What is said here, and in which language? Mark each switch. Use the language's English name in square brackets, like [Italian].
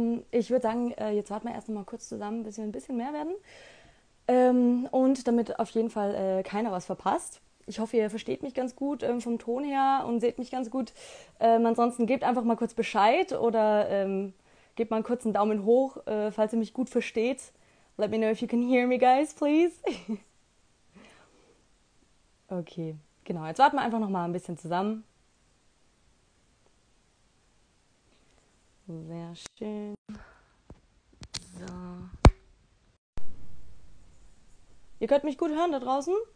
[German] Ich würde sagen, jetzt warten wir erst noch mal kurz zusammen, bis wir ein bisschen mehr werden. Und damit auf jeden Fall keiner was verpasst. Ich hoffe, ihr versteht mich ganz gut vom Ton her und seht mich ganz gut. Ansonsten gebt einfach mal kurz Bescheid oder gebt mal kurz einen Daumen hoch, falls ihr mich gut versteht. [English] Let me know if you can hear me, guys, please. [German] Okay, genau. Jetzt warten wir einfach noch mal ein bisschen zusammen. Sehr schön. So. Ihr könnt mich gut hören da draußen?